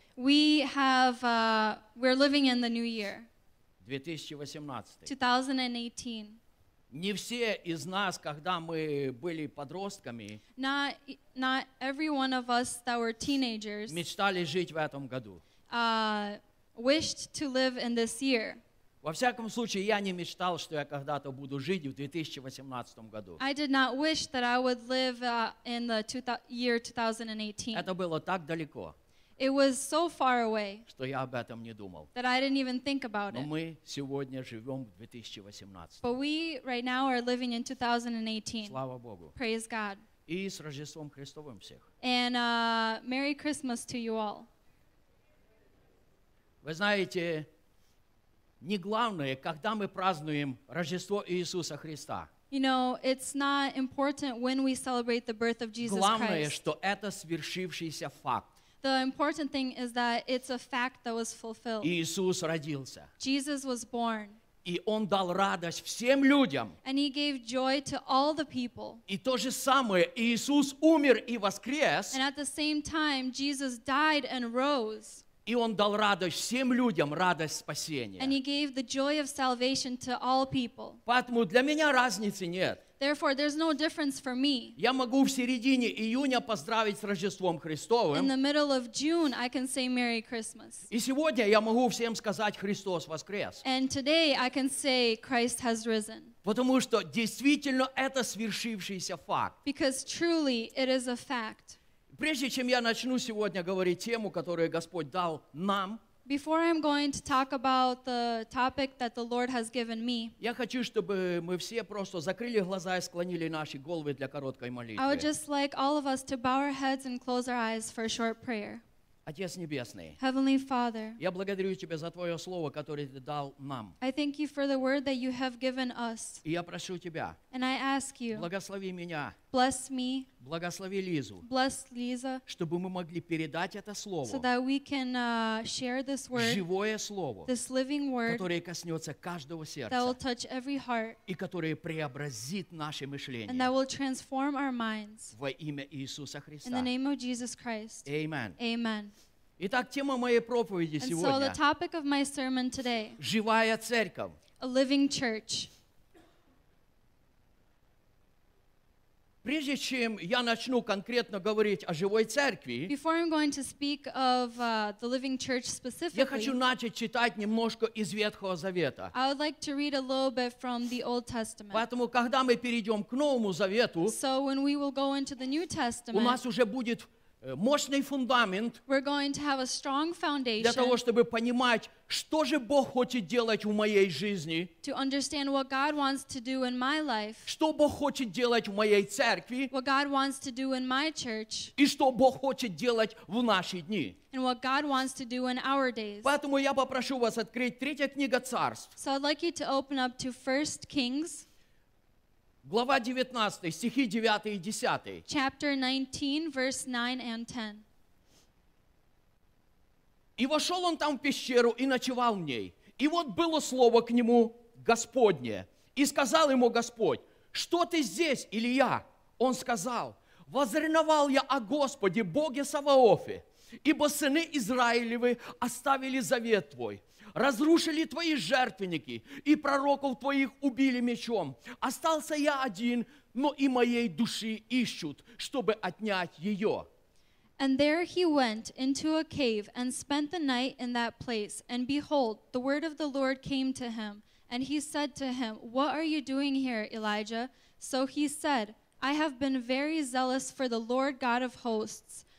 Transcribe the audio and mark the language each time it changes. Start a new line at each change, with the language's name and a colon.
English: We have, we're living in the new year.
Russian: 2018. Не все из нас, когда мы были подростками,
English: not every one of us that were teenagers,
Russian: мечтали жить в этом году.
English: Wished to live in this year.
Russian: Во всяком случае, я не мечтал, что я когда-то буду жить в 2018 году.
English: I did not wish that I would live in the year 2018.
Russian: Это было так далеко.
English: It was so far away.
Russian: Что я об этом не думал.
English: That I didn't even think about it.
Russian: Но мы сегодня живем в 2018.
English: But we right now are living in 2018.
Russian: Слава Богу.
English: Praise God.
Russian: И с Рождеством Христовым всех.
English: And Merry Christmas to you all.
Russian: Вы знаете, не главное, когда мы празднуем Рождество Иисуса Христа.
English: You know, it's not important when we celebrate the birth of Jesus Christ.
Russian: Главное, что это свершившийся факт.
English: The important thing is that it's a fact that was fulfilled.
Russian: Иисус родился.
English: Jesus was born.
Russian: И Он дал радость всем людям.
English: And He gave joy to all the people.
Russian: И то же самое, Иисус умер и воскрес.
English: And at the same time, Jesus died and rose.
Russian: И Он дал радость всем людям, радость спасения.
English: And He gave the joy of salvation to all people.
Russian: Поэтому для меня разницы нет.
English: Therefore, there's no difference for me.
Russian: Я могу в середине июня поздравить с Рождеством Христовым.
English: In the middle of June, I can say Merry Christmas.
Russian: И сегодня я могу всем сказать Христос воскрес.
English: And today, I can say Christ has risen.
Russian: Потому что действительно это свершившийся факт.
English: Because truly, it is a fact.
Russian: Прежде чем я начну сегодня говорить тему, которую Господь дал нам,
English: before I'm going to talk about the topic that the Lord has given me,
Russian: я хочу, чтобы мы все просто закрыли глаза и склонили наши головы для короткой молитвы.
English: I would just like all of us to bow our heads and close our eyes for a short prayer.
Russian: Отец Небесный,
English: Heavenly Father,
Russian: я благодарю Тебя за Твое Слово, которое Ты дал нам.
English: I thank You for the word that You have given us.
Russian: И я прошу Тебя,
English: and I ask You,
Russian: благослови меня,
English: bless me,
Russian: благослови Лизу,
English: bless Lisa,
Russian: чтобы мы могли передать это Слово,
English: so that we can share this word,
Russian: живое Слово,
English: this living word,
Russian: которое коснется каждого сердца,
English: that will touch every heart,
Russian: и которое преобразит наше мышление,
English: and that will transform our minds,
Russian: во имя Иисуса Христа,
English: in the name of Jesus Christ. Amen. Amen.
Russian: Итак, тема моей проповеди
English: and
Russian: сегодня.
English: And so the topic of my sermon today.
Russian: Живая церковь.
English: A living church.
Russian: Прежде чем я начну конкретно говорить о живой церкви,
English: before I'm going to speak of the living church specifically,
Russian: я хочу начать читать немножко из Ветхого Завета.
English: I would like to read a little bit from the Old Testament.
Russian: Поэтому, когда мы перейдем к Новому Завету,
English: so when we will go into the New Testament,
Russian: у нас уже будет мощный фундамент,
English: we're going to have a strong foundation,
Russian: для того, чтобы понимать, что же Бог хочет делать в моей жизни,
English: to understand what God wants to do in my life,
Russian: что Бог хочет делать в моей церкви,
English: what God wants to do in my church,
Russian: и что Бог хочет делать в наши дни,
English: and what God wants to do in our days.
Russian: Поэтому я попрошу вас открыть третья книга царств.
English: So I'd like you to open up to 1 Kings.
Russian: Глава 19, стихи 9 и 10.
English: Chapter 19, verse 9 and 10.
Russian: И вошел он там в пещеру и ночевал в ней. И вот было слово к нему Господне. И сказал ему Господь, что ты здесь, Илия? Он сказал, возревновал я о Господе, Боге Саваофе, ибо сыны Израилевы оставили завет твой. Разрушили твои жертвенники, и пророков твоих убили мечом. Остался я один, но и моей души ищут, чтобы отнять ее.
English: And there he went into a cave and spent the night in that place. And behold, the word of the Lord came to him. And he said to him, what are you doing here, Elijah? So he said, I have been very zealous for the Lord God of hosts.